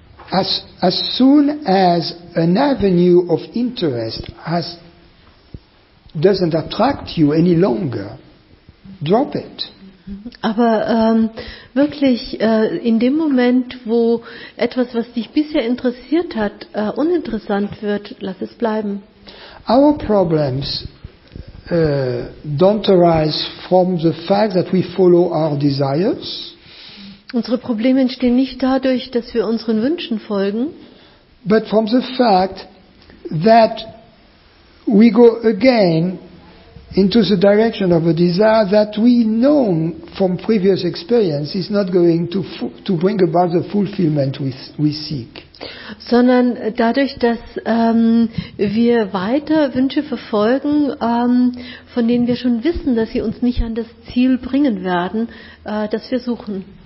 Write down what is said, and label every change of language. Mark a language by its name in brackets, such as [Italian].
[English] As soon as an avenue of interest doesn't attract you any longer, drop it. [German] Aber wirklich in dem Moment, wo etwas, was dich bisher interessiert hat, uninteressant wird, lass es bleiben. [English] Our problems don't arise from the fact that we follow our desires. [German] Unsere Probleme entstehen nicht dadurch, dass wir unseren Wünschen folgen, [English] but from the fact that we go again into the direction of a desire that we know from previous experience is not going to bring about the fulfillment we seek. [German] Sondern dadurch, dass wir weiter Wünsche verfolgen, von denen wir schon wissen, dass sie uns nicht an das Ziel bringen werden, das wir suchen.